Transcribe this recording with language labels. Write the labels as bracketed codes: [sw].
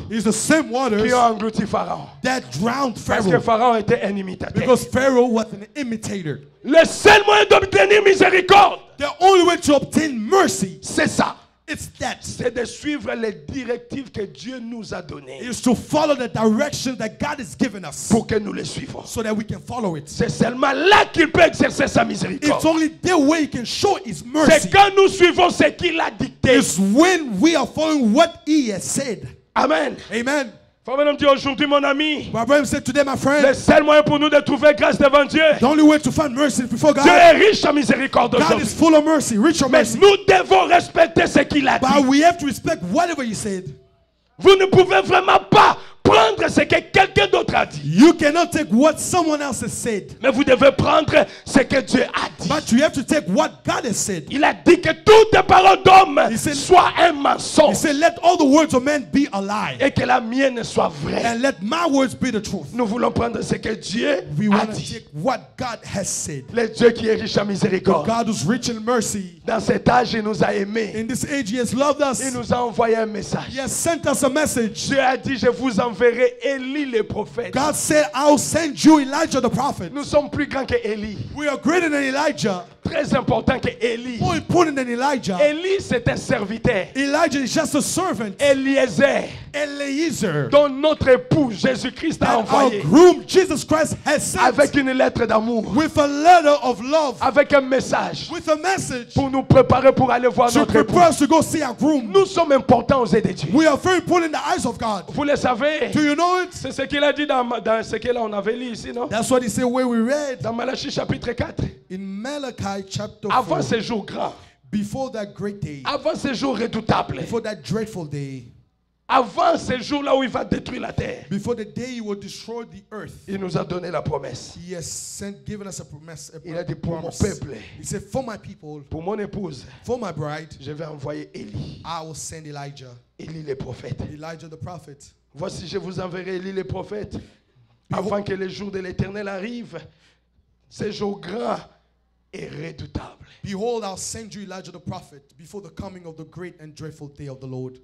[en] It's the same waters. [fr] Qui ont englouti Pharaon. [en] That drowned Pharaoh. [fr] Parce que Pharaon était un imitateur. [en] Because Pharaoh was an imitator. [fr] Le seul moyen d'obtenir miséricorde. [en] The only way to obtain mercy. [fr] C'est ça. [en] It's that. [fr] C'est de suivre les directives que Dieu nous a données. [en] It's to follow the direction that God has given us. [fr] Pour que nous les suivons. [en] So that we can follow it. [fr] C'est seulement là qu'il peut exercer sa miséricorde. [en] It's only there where he can show his mercy. [fr] C'est quand nous suivons ce qu'il a dicté. [en] It's when we are following what he has said. [fr] Amen. [en] Amen. [fr] Frère dit aujourd'hui mon ami. [en] Today, my friend, [fr] le seul moyen pour nous de trouver grâce devant Dieu. [en] The only way to find mercy before God. [fr] Dieu est riche en miséricorde. [en] God [fr] aujourd'hui. [en] Is full of mercy, rich of [fr] mais [en] mercy. [fr] Nous devons respecter ce qu'il a [en] but [fr] dit. [en] But we have to respect whatever he said. [fr] Vous ne pouvez vraiment pas prendre ce que quelqu'un d'autre a dit. [en] You cannot take what someone else has said. [fr] Mais vous devez prendre ce que Dieu a dit. [en] But you have to take what God has said. [fr] Il a dit que toutes les paroles d'homme soient un mensonge. [en] He said, let all the words of men be a lie. [fr] Et que la mienne soit vraie. [en] And let my words be the truth. [fr] Nous voulons prendre ce que Dieu [en] we [fr] a [en] want [fr] dit. [en] To take what God has said. [fr] Le Dieu qui est riche en miséricorde. [en] The God who's rich in mercy. [fr] Dans cet âge, il nous a aimés. [en] In this age, he has loved us. [fr] Il nous a envoyé un message. [en] He has sent us a message. [fr] Dieu a dit, je vous enverrai Élie le prophète. [en] God said, I'll send you Elijah the prophet. [fr] Nous sommes plus grands que Élie. [en] We are greater than Elijah. [fr] Très important que Élie. [en] More important than Elijah. [fr] Élie c'est un serviteur. [en] Elijah is just a servant. [fr] Eliezer. [en] Eliezer. [fr] Dont notre époux Jésus-Christ a envoyé. [en] Our groom Jesus Christ has sent. [fr] Avec une lettre d'amour. [en] With a letter of love. [fr] Avec un message. [en] With a message. [fr] Pour nous préparer pour aller voir notre époux. [en] To prepare us to go see our groom. [fr] Nous sommes importants aux yeux de Dieu. [en] We are very important in the eyes of God. [fr] Vous le savez. [en] Do you know it? [fr] C'est ce qu'il a dit dans ce que là on avait lu ici, non? [en] That's what he said where we read. [fr] Dans Malachie chapitre 4. [en] In Malachi chapter [fr] 4. Avant ces jours grands. [en] Before that great day. [fr] Avant ces jours redoutables. [en] Before that dreadful day. [fr] Avant ces jours là où il va détruire la terre. [en] Before the day he will destroy the earth. [fr] Il nous a donné la promesse. [en] He has sent, given us a promise. [fr] Il a dit pour mon peuple. [en] He said for my people. [fr] Pour mon épouse. [en] For my bride. [fr] Je vais envoyer Élie. [en] I will send Elijah. [fr] Élie le prophète. [en] Elijah the prophet. [fr] Voici, je vous enverrai Élie le prophète, afin que le jour de l'Éternel arrive Ces jours grands et redoutables. [en] Behold, I'll send you Elijah the prophet before the coming of the great and dreadful day of the Lord.